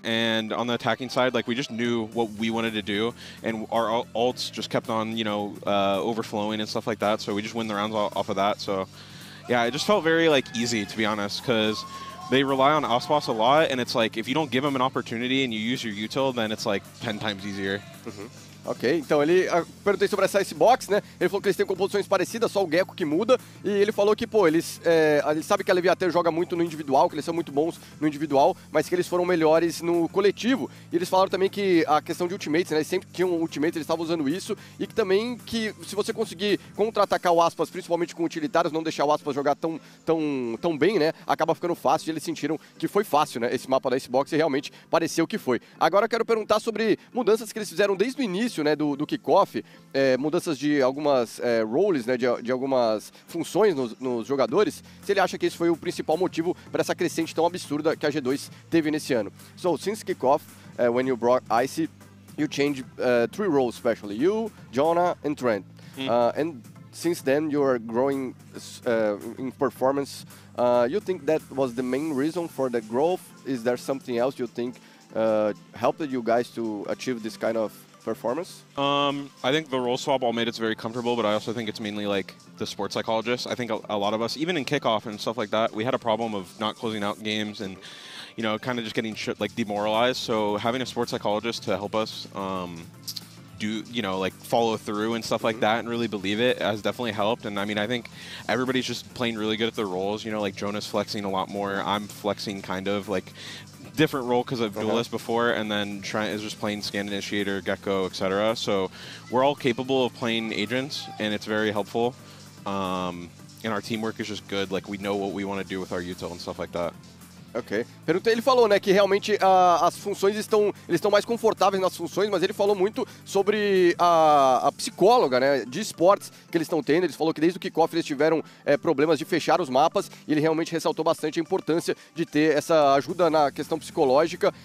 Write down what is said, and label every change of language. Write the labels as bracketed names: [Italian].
[English] And on the attacking side, like, we just knew what we wanted to do. And our ults just kept on, you know, overflowing and stuff like that. So we just win the rounds off of that. So, yeah, it just felt very, like, easy, to be honest. Because they rely on Aspas a lot. And it's like, if you don't give them an opportunity and you use your util, then it's, like, 10 times easier. Mm-hmm. [Portuguese] Ok, então ele perguntou sobre essa Icebox, né? Ele falou que eles têm composições parecidas, só o Gecko que muda. E ele falou que, pô, eles sabem que a Leviathan joga muito no individual, que eles são muito bons no individual, mas que eles foram melhores no coletivo. E eles falaram também que a questão de ultimates, né? Eles sempre tinham ultimates, eles estavam usando isso. E que também que se você conseguir contra-atacar o Aspas, principalmente com utilitários, não deixar o Aspas jogar tão bem, né? Acaba ficando fácil. E eles sentiram que foi fácil, né? Esse mapa da Icebox, e realmente pareceu que foi. Agora eu quero perguntar sobre mudanças que eles fizeram desde o início, né, do kickoff, mudanças de algumas roles, né, de algumas funções nos jogadores, se ele acha que esse foi o principal motivo para essa crescente tão absurda que a G2 teve nesse ano. [English] So, since kickoff, when you brought Icy, you changed three roles, especially you, Jonah, and Trent. And since then, you are growing in performance. You think that was the main reason for the growth? Is there something else you think helped you guys to achieve this kind of performance? I think the role swap all made us very comfortable, but I also think it's mainly like the sports psychologist. I think a lot of us, even in kickoff and stuff like that, we had a problem of not closing out games and, you know, kind of just getting demoralized. So having a sports psychologist to help us do, you know, like follow through and stuff like that and really believe it has definitely helped. And I mean, I think everybody's just playing really good at their roles, you know, like Jonah's flexing a lot more. I'm flexing kind of like different role because of duelist before, and then Trent is just playing Scan Initiator, Gecko, etc. So we're all capable of playing agents, and it's very helpful. And our teamwork is just good. Like, we know what we want to do with our util and stuff like that. Okay. [Portuguese] Perguntei, ele falou, né, que realmente as funções estão, eles estão mais confortáveis nas funções, mas ele falou muito sobre a psicóloga, né, de esportes que eles estão tendo. Ele falou que desde o kickoff eles tiveram problemas de fechar os mapas, e ele realmente ressaltou bastante a importância de ter essa ajuda na questão psicológica.